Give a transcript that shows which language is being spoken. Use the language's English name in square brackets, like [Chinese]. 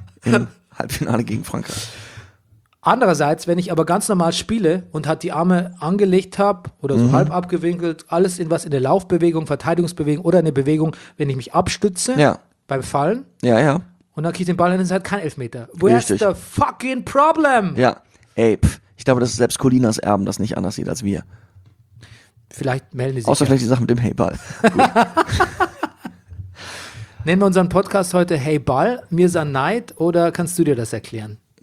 [German] Im Halbfinale gegen Frankreich. Andererseits, wenn ich aber ganz normal spiele und halt die Arme angelegt habe oder so halb abgewinkelt, alles in was in der Laufbewegung, Verteidigungsbewegung oder in der Bewegung, wenn ich mich abstütze beim Fallen. Ja, ja. Und dann kriege ich den Ball hin, ist halt kein Elfmeter. [English] Where's the fucking problem? [German] Ja, ey, pff, ich glaube, dass selbst Colinas Erben das nicht anders sieht als wir. Vielleicht melden die sich. Außer vielleicht die Sache mit dem Hey-Ball. Nennen wir unseren Podcast heute Hey-Ball, Mirza Neid, oder kannst du dir das erklären?